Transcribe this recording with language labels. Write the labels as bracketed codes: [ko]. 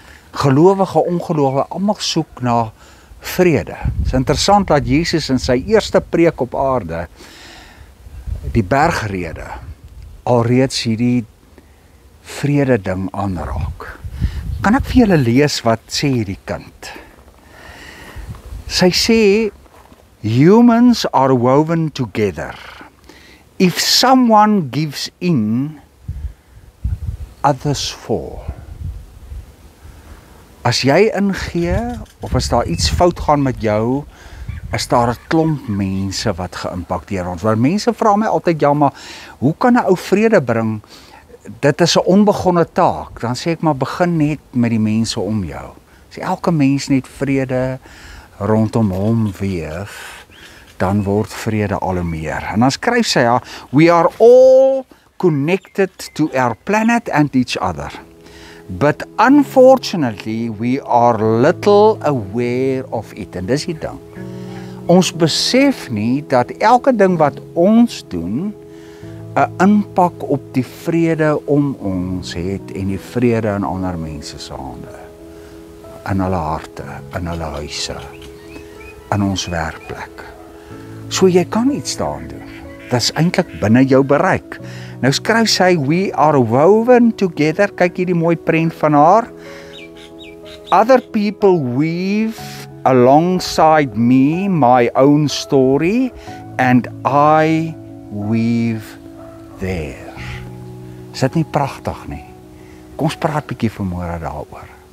[af] Gelowige, ongelowige, almal soek na vrede. Dit is interessant dat Jesus in sy eerste preek op aarde, die bergrede, alreeds hierdie vrede ding aanraak. Kan ek vir julle lees wat sê hierdie kind? [en] Sy sê, "Humans are woven together. If someone gives in, others fall." [af] As jy ingee, of as daar iets fout gaan met jou, is daar 'n klomp mense wat geïmpakteer ons. Want mense vra my altyd, ja, maar hoe kan 'n ou vrede bring? Dit is 'n onbegonne taak. Dan sê ek maar, begin net met die mense om jou. As elke mens net vrede rondom hom weef, dan word vrede al hoe meer. En dan skryf sy, ja, [en] "We are all connected to our planet and each other. But unfortunately, we are little aware of it." [af] En dis die ding. Ons besef nie dat elke ding wat ons doen, 'n impak op die vrede om ons het en die vrede in ander mense se hande, in hulle harte, in hulle huise, in ons werkplek. So jy kan iets daaraan doen. Dis eintlik binne jou bereik. Nou skryf sy, [en] "We are woven together." [af] Kyk hierdie mooi prent van haar. [en] "Other people weave alongside me my own story and I weave theirs." [af] Is dit nie prachtig nie? Kom ons praat bietjie vanmôre daaroor.